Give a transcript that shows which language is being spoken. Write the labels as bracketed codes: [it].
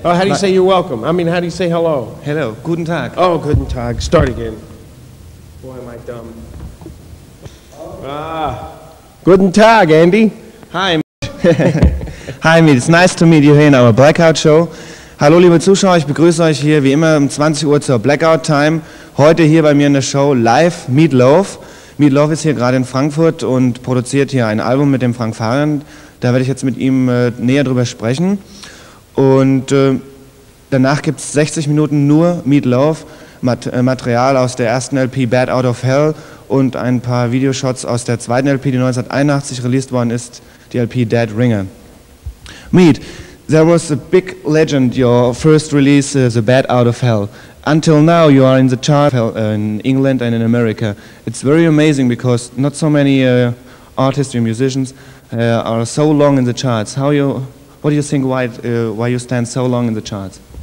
[en] Oh, how do you say you're welcome? I mean, how do you say hello? [de] Hello. Guten Tag. [en] Oh, [de] guten Tag. [en] Start again. Boy, am I dumb. [de] Guten Tag, Andy. [en] Hi. Hi, Meat. It's nice to meet you here in our Blackout show. [de] Hallo, liebe Zuschauer. Ich begrüße euch hier wie immer um 20 Uhr zur Blackout Time. Heute hier bei mir in der Show live Meatloaf. Meatloaf ist hier gerade in Frankfurt und produziert hier ein Album mit dem Frank Farian. Da werde ich jetzt mit ihm näher drüber sprechen. Und danach gibt es 60 Minuten nur Meatloaf, Material aus der ersten LP Bad Out of Hell und ein paar Videoshots aus der zweiten LP, die 1981 released worden ist, die LP Dead Ringer. [en] Meat, there was a big legend, your first release, The Bad Out of Hell. Until now you are in the chart in England and in America. It's very amazing because not so many artists or musicians are so long in the charts. What do you think why you stand so long in the charts?